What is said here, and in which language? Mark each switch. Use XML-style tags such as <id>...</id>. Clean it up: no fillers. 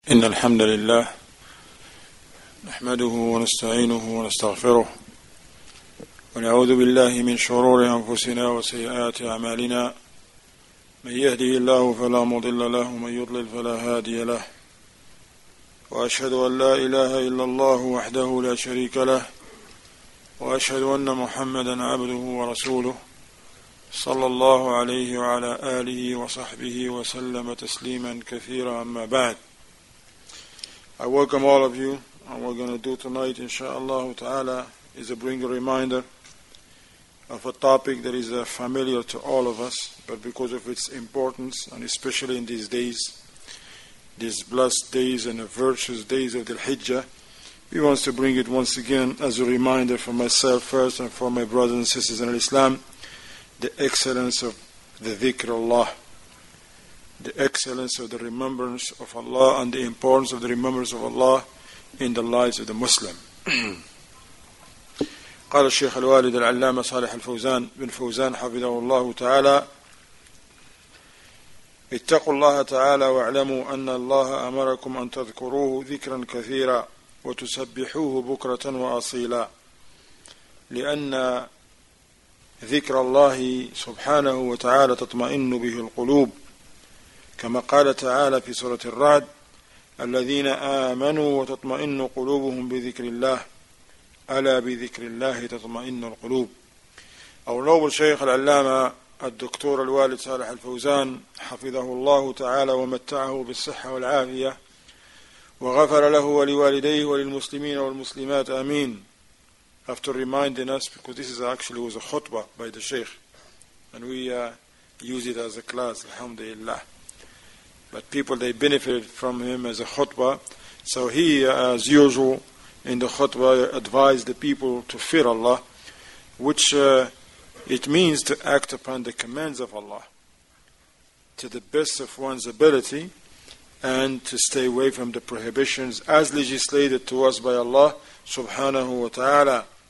<ar>إن الحمد لله نحمده ونستعينه ونستغفره ونعوذ بالله من شرور أنفسنا وسيئات أعمالنا، من يهده الله فلا مضل له ومن يضلل فلا هادي له، وأشهد أن لا إله إلا الله وحده لا شريك له، وأشهد أن محمدا عبده ورسوله صلى الله عليه وعلى آله وصحبه وسلم تسليما كثيرا. أما بعد،</ar> <en>I welcome all of you, and what we're going to do tonight, insha'Allah ta'ala, is to bring a reminder of a topic that is familiar to all of us, but because of its importance, and especially in these days, these blessed days and the virtuous days of the Hijjah, we want to bring it once again as a reminder for myself first and for my brothers and sisters in Islam, the excellence of the dhikr Allah. The excellence of the remembrance of Allah and the importance of the remembrance of Allah in the lives of the Muslim.</en> <ar>قال الشيخ الوالد العلامة صالح الفوزان بن فوزان حفظه الله تعالى اتقوا الله تعالى واعلموا أن الله أمركم أن تذكروه ذكرا كثيرا وتسبحوه بكرة وأصيلا لأن ذكر الله سبحانه وتعالى تطمئن به القلوب كما قال تعالى في سورة الرعد الذين آمنوا وتطمئن قلوبهم بذكر الله ألا بذكر الله تطمئن القلوب. أو نوب الشيخ العلامة الدكتور الوالد صالح الفوزان حفظه الله تعالى ومتعه بالصحة والعافية وغفر له ولوالديه وللمسلمين والمسلمات آمين.</ar> <en>After reminding us, because this is actually was a khutbah by the Sheikh and we use it as a class, alhamdulillah. But people, they benefited from him as a khutbah. So he, as usual, in the khutbah, advised the people to fear Allah, which it means to act upon the commands of Allah to the best of one's ability and to stay away from the prohibitions as legislated to us by Allah subhanahu wa ta'ala.</en>